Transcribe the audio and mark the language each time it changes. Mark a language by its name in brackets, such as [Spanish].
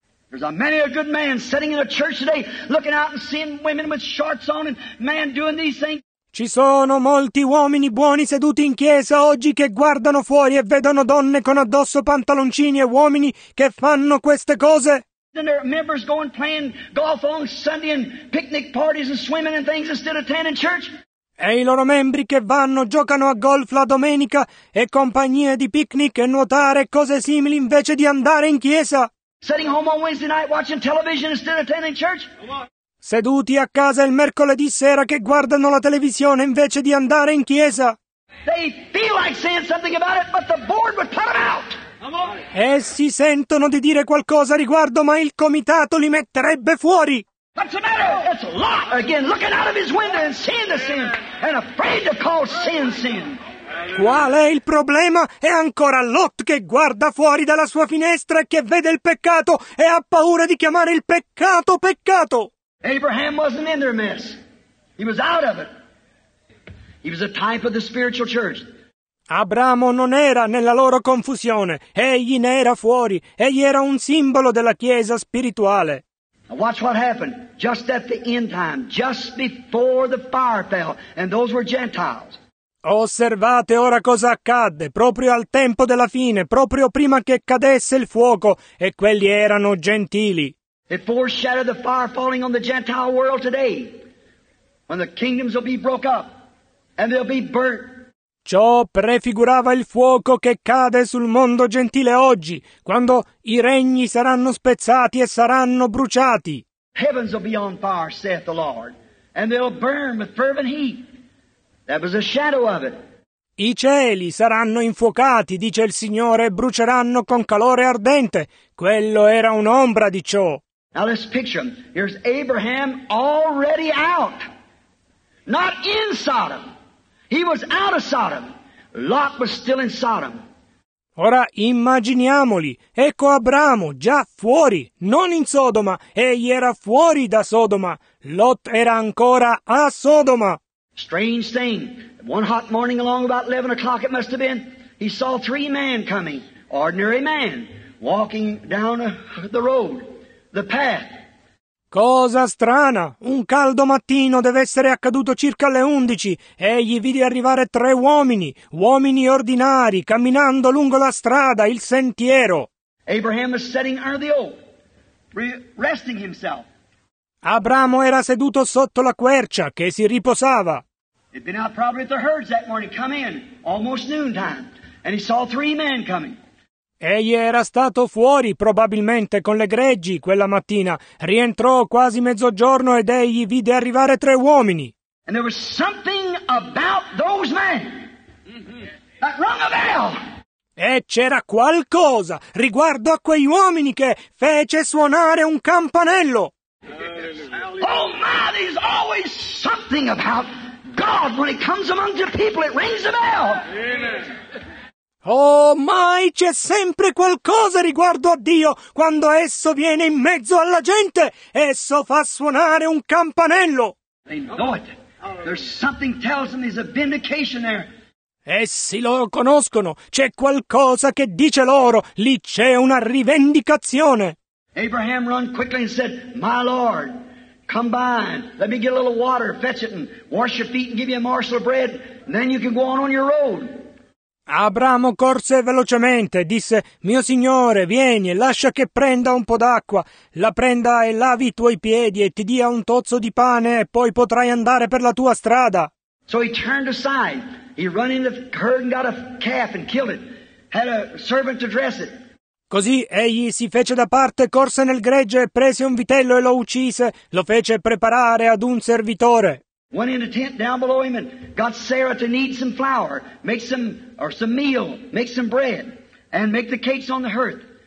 [English] There's a many a good man sitting in a church today looking out and seeing women with shorts on and man doing these things. [Italian] Ci sono molti uomini buoni seduti in chiesa oggi che guardano fuori e vedono donne con addosso pantaloncini e uomini che fanno queste cose. [English] And there are members going playing golf on Sunday and picnic parties and swimming and things instead of attending church. [Italian] E i loro membri che vanno, giocano a golf la domenica e compagnie di picnic e nuotare e cose simili invece di andare in chiesa. [English] Sitting home on Wednesday night watching television instead of attending church. [Italian] Seduti a casa il mercoledì sera che guardano la televisione invece di andare in chiesa. [English] They feel like saying something about it, but the board would cut them out. [Italian] Essi sentono di dire qualcosa riguardo, ma il comitato li metterebbe fuori. [English] What's the matter? It's Lot again looking out of his window and seeing the sin and afraid to call sin sin. [Italian] Qual è il problema? È ancora Lot che guarda fuori dalla sua finestra e che vede il peccato e ha paura di chiamare il peccato peccato. [English] Abraham wasn't in their mess. He was out of it. He was a type of the spiritual church. [Italian] Abramo non era nella loro confusione, egli ne era fuori, egli era un simbolo della chiesa spirituale. [English] Watch what happened, just at the end time, just before the fire fell, and those were Gentiles. [Italian] Osservate ora cosa accadde, proprio al tempo della fine, proprio prima che cadesse il fuoco, e quelli erano gentili. [English] It foreshadowed the fire falling on the Gentile world today, when the kingdoms will be broke up, and they'll be burnt. [Italian] Ciò prefigurava il fuoco che cade sul mondo gentile oggi, quando i regni saranno spezzati e saranno bruciati. [English] Heavens will be on fire, saith the Lord, and they'll burn with fervent heat. That was a shadow of it. [Italian] I cieli saranno infuocati, dice il Signore, e bruceranno con calore ardente. Quello era un'ombra di ciò. [English] Now let's picture him. Here's Abraham already out, not in Sodom. He was out of Sodom. Lot was still in Sodom. [Italian] Ora immaginiamoli. Ecco Abramo, già fuori, non in Sodoma. Egli era fuori da Sodoma. Lot era ancora a Sodoma. [English] Strange thing. One hot morning along about 11 o'clock it must have been, he saw three men coming, ordinary men, walking down the road, the path. [Italian] Cosa strana! Un caldo mattino deve essere accaduto circa le 11. Egli vide arrivare tre uomini, uomini ordinari, camminando lungo la strada, il sentiero. [English] Abraham was sitting under the oak, resting himself. [Italian] Abramo era seduto sotto la quercia che si riposava. [English] He'd been out probably at the herds that morning, come in, almost noontime, and he saw three men coming. [Italian] Egli era stato fuori, probabilmente, con le greggi quella mattina. Rientrò quasi mezzogiorno ed egli vide arrivare tre uomini. [English] And there was something about those men that rung a bell. [Italian] E c'era qualcosa riguardo a quegli uomini che fece suonare un campanello. [English] Oh my, there's always something about God when it comes among the people, it rings a bell. [Italian] Oh, mai c'è sempre qualcosa riguardo a Dio quando esso viene in mezzo alla gente. Esso fa suonare un campanello. [English] They know it. There's something tells them there's a vindication there. [Italian] Essi lo conoscono. C'è qualcosa che dice loro. Lì c'è una rivendicazione. [English] Abraham run quickly and said, my Lord, come by and let me get a little water, fetch it and wash your feet and give you a morsel of bread and then you can go on your road. [Italian] Abramo corse velocemente e disse, mio signore, vieni e lascia che prenda un po' d'acqua, la prenda e lavi i tuoi piedi e ti dia un tozzo di pane e poi potrai andare per la tua strada. [English] So he turned aside, he ran in the herd and got a calf and killed it, had a servant to dress it. [Italian] Così egli si fece da parte, corse nel gregge e prese un vitello e lo uccise, lo fece preparare ad un servitore. [English] Went in a tent down below him and got Sarah to knead some flour, make some, or some meal, make some bread, and make the cakes on the hearth.